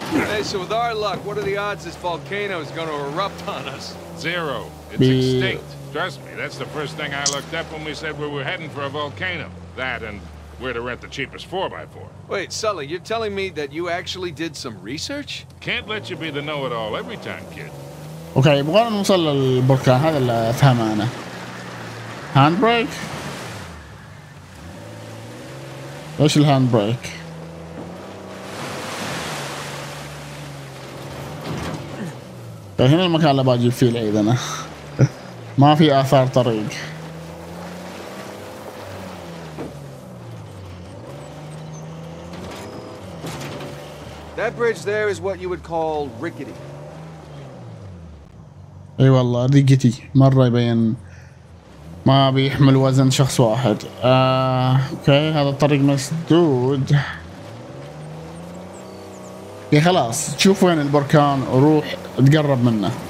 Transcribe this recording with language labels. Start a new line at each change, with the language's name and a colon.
English: Hey, so with our luck, what are the odds this volcano is going to erupt on us? Zero. It's extinct. Trust me, that's the first thing I looked up when we said we were heading for a volcano. That and where to rent the cheapest 4x4. Wait, Sully, you're telling me that you actually did some research? Can't let you be the know-it-all every time, kid.
Arabic: اوكي يبغى نوصل للبركان هذا اللي افهمه انا. هاند بريك. ايش الهاند بريك؟ هنا المكان اللي باجي فيه العيد انا. ما في اثار طريق.
English: That bridge there is what you would call rickety.
Arabic: اي والله ريقتي مره يبين ما بيحمل وزن شخص واحد. اوكي هذا الطريق مسدود. يا خلاص شوف وين البركان وروح تقرب منه.